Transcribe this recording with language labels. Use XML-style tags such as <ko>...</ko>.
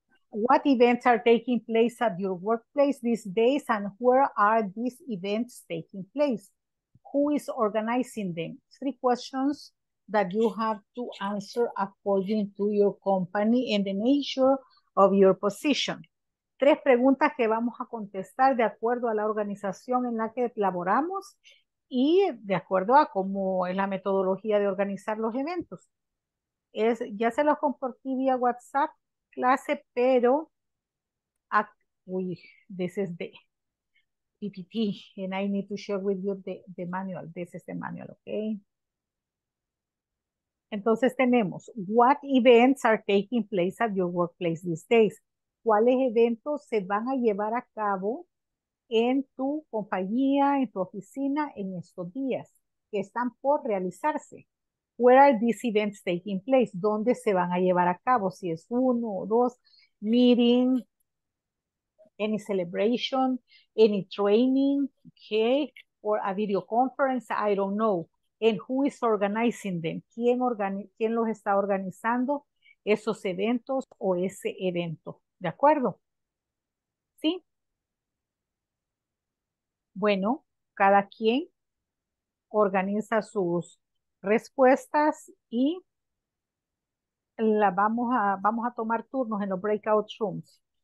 <en>What events are taking place at your workplace these days and where are these events taking place? Who is organizing them? Three questions that you have to answer according to your company and the nature of your position.</en> <es>Tres preguntas que vamos a contestar de acuerdo a la organización en la que laboramos y de acuerdo a cómo es la metodología de organizar los eventos. Es, ya se los compartí vía WhatsApp, clase, pero</es> <en>this is the PPT, and I need to share with you the manual. This is the manual, okay?</en> <es>Entonces tenemos,</es> <en>what events are taking place at your workplace these days?</en> <es>¿Cuáles eventos se van a llevar a cabo en tu compañía, en tu oficina, en estos días que están por realizarse?</es> <en>Where are these events taking place?</en> <es>¿Dónde se van a llevar a cabo? Si es uno o dos,</es> <en>meeting, any celebration, any training, okay, or a video conference, I don't know. And who is organizing them?</en> <es>¿Quién los está organizando esos eventos o ese evento? ¿De acuerdo? ¿Sí? Bueno, cada quien organiza sus respuestas y la vamos a tomar turnos en los breakout rooms.</es>